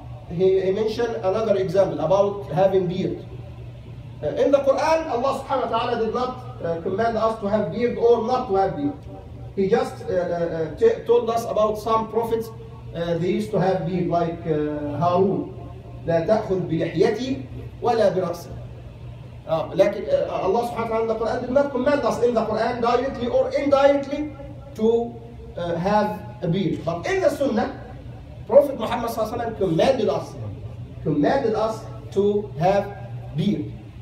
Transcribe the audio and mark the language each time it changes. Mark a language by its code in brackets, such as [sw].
[en] He mentioned another example about having beard. In the Quran, Allah [ar] سبحانه وتعالى [en] did not command us to have beard or not to have beard. He just told us about some prophets. They used to have beard like Harun. [ar] لا تأخذ بلحيتي ولا برأسي. [en] لكن Allah [ar] سبحانه وتعالى [en] in the Quran did not command us in the Quran directly or indirectly to have a beard. But in the Sunnah, Prophet Muhammad [ar] صلى الله عليه وسلم [en] commanded us to have beard.